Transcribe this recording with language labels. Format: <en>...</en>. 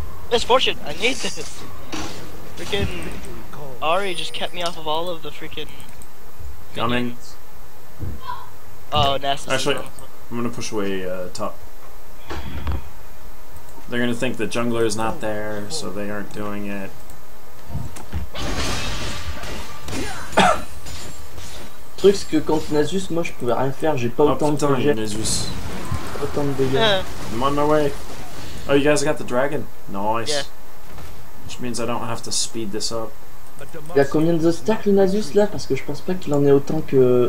<en>Misfortune, I need this! Freaking Ari just kept me off of all of the freaking coming. Oh, Nasus. Actually, I'm gonna push away top. They're gonna think the jungler is not there, so they aren't doing it.</en> <fr>Truc, c'est que quand Nasus, moi je pouvais rien faire, j'ai pas autant de dégâts. Nasus. Autant de dégâts.</fr> <en>I'm on my way. Oh, you guys got the dragon? Nice. Yeah. Which means I don't have to speed this up.</en> <fr>Il y a combien de stacks le Nasus là? Parce que je pense pas qu'il en ait autant que.</fr>